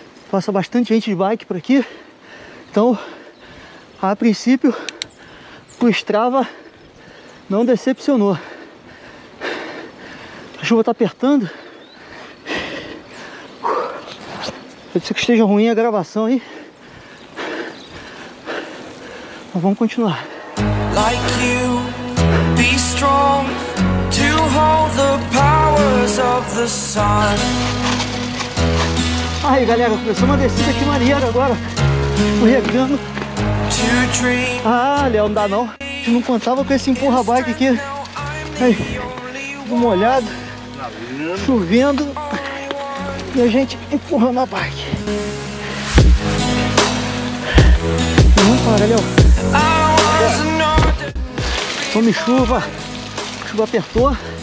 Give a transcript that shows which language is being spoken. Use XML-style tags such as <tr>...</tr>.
<pt>Passa bastante gente de bike por aqui. Então, a princípio, o Strava não decepcionou. A chuva tá apertando. Pode ser que esteja ruim a gravação aí. Mas vamos continuar.</pt> <en>Like you, be strong to hold the powers of the sun.</en> <pt>Aí galera, começou uma descida aqui maneira agora. O regando. Ah, Léo, não dá não. A gente não contava com esse empurra-bike aqui. Aí, tudo molhado. Chovendo. e a gente empurrando a bike. E vamos para ali, ó. Tome chuva. Chuva apertou.</pt>